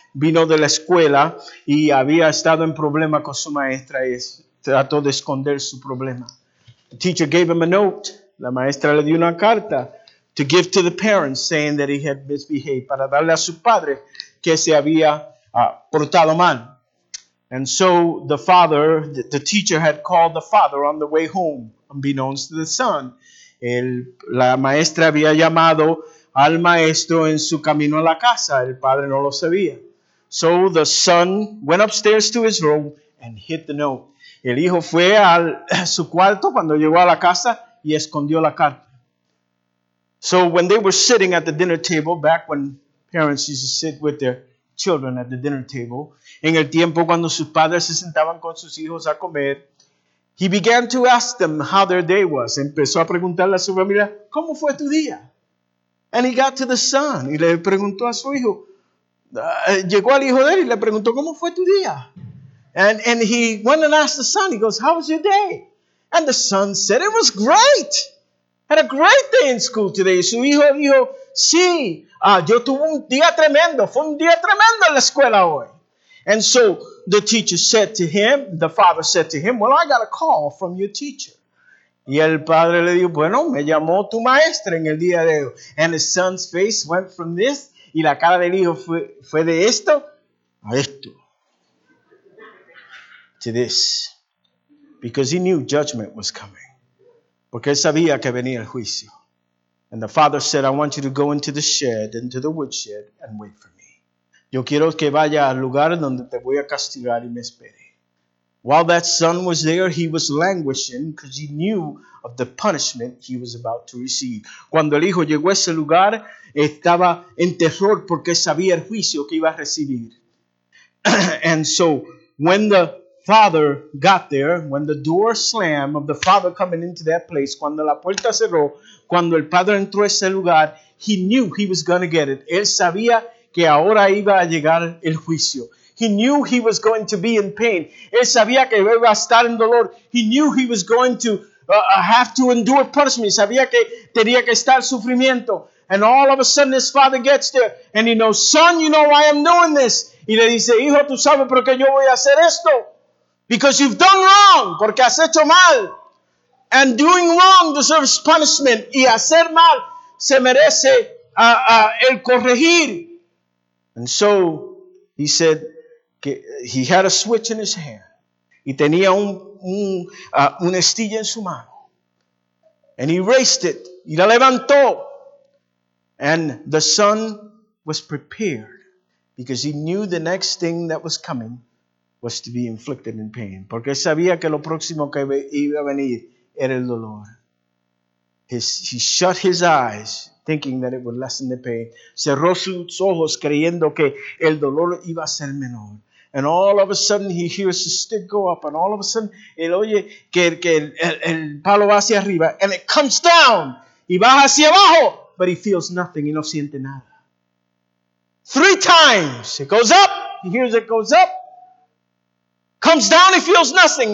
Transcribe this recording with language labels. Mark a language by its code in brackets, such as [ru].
[es] Vino de la escuela, y había estado en problema con su maestra, y trató de esconder su problema. [en] The teacher gave him a note, [es] la maestra le dio una carta, [en] to give to the parents, saying that he had misbehaved. [es] Para darle a su padre que se había portado mal. [en] And so the father, the teacher had called the father on the way home, unbeknownst to the son. [es] La maestra había llamado al maestro en su camino a la casa. El padre no lo sabía. [en] So the son went upstairs to his room and hid the note. [es] El hijo fue a su cuarto cuando llegó a la casa y escondió la carta. [en] So when they were sitting at the dinner table, back when parents used to sit with their children at the dinner table, [es] en el tiempo cuando sus padres se sentaban con sus hijos a comer, [en] he began to ask them how their day was. [es] Empezó a preguntarle a su familia, ¿cómo fue tu día? [en] And he got to the son, [es] y le preguntó a su hijo. Llegó al hijo de él y le preguntó, ¿cómo fue tu día? [en] And he went and asked the son, he goes, how was your day? And the son said, it was great. Had a great day in school today. [es] Su hijo dijo, sí, yo tuve un día tremendo. Fue un día tremendo en la escuela hoy. [en] And so the teacher said to him, the father said to him, well, I got a call from your teacher. [es] Y el padre le dijo, bueno, me llamó tu maestra en el día de hoy. [en] And his son's face went from this, [es] y la cara del hijo fue de esto a esto. [en] To this. Because he knew judgment was coming. [es] Porque él sabía que venía el juicio. [en] And the father said, I want you to go into the shed, into the woodshed, and wait for me. [es] Yo quiero que vaya al lugar donde te voy a castigar y me espere. [en] While that son was there, he was languishing because he knew of the punishment he was about to receive. [es] Cuando el hijo llegó a ese lugar, estaba en terror porque sabía el juicio que iba a recibir. [en] And so, when the father got there, when the door slammed of the father coming into that place, [es] cuando la puerta cerró, cuando el padre entró a ese lugar, [en] he knew he was going to get it. [es] Él sabía que ahora iba a llegar el juicio. [en] He knew he was going to be in pain. [es] Él sabía que iba a estar en dolor. [en] He knew he was going to have to endure punishment. [es] Sabía que tenía que estar sufrimiento. [en] And all of a sudden his father gets there. And he knows, son, you know why I'm doing this. [es] Y le dice, hijo, tú sabes por qué yo voy a hacer esto. [en] Because you've done wrong. [es] Porque has hecho mal. [en] And doing wrong deserves punishment. [es] Y hacer mal se merece el corregir. [en] And so he said, he had a switch in his hand. [es] Y tenía una estilla en su mano. [en] And he raised it. [es] Y la levantó. [en] And the son was prepared because he knew the next thing that was coming was to be inflicted in pain. [es] Porque sabía que lo próximo que iba a venir era el dolor. [en] He shut his eyes thinking that it would lessen the pain. [es] Cerró sus ojos creyendo que el dolor iba a ser menor. [en] And all of a sudden he hears the stick go up. And all of a sudden [es] él oye que el palo va hacia arriba. [en] And it comes down. [es] Y baja hacia abajo. [en] But he feels nothing. [es] Y no siente nada. [en] Three times. It goes up. He hears it goes up. Comes down. He feels nothing.